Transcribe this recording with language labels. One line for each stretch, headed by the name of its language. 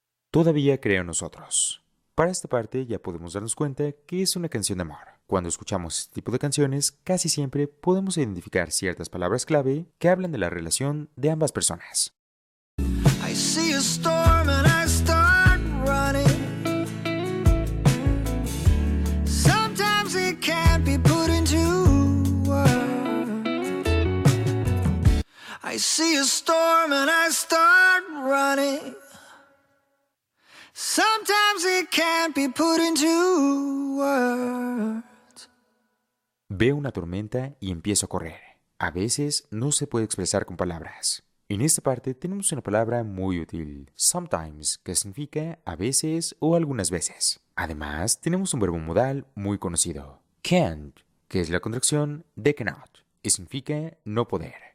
Spanish: Todavía creo en nosotros. Para esta parte ya podemos darnos cuenta que es una canción de amor. Cuando escuchamos este tipo de canciones, casi siempre podemos identificar ciertas palabras clave que hablan de la relación de ambas personas.
English: I see a storm and I start running. Sometimes it can't be put into words. I see a storm and I start running. Sometimes it can't be put into words.
Spanish: Veo una tormenta y empiezo a correr. A veces no se puede expresar con palabras. En esta parte tenemos una palabra muy útil, sometimes, que significa a veces o algunas veces. Además, tenemos un verbo modal muy conocido, can't, que es la contracción de cannot, y significa no poder.